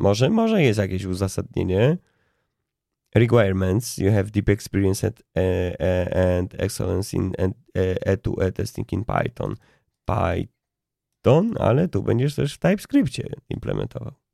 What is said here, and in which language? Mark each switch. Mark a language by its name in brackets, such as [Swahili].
[Polish] Może jest jakieś uzasadnienie. [English] Requirements, you have deep experience and excellence in end-to-end testing in Python. [Polish] Python, ale tu będziesz też w TypeScriptie implementował.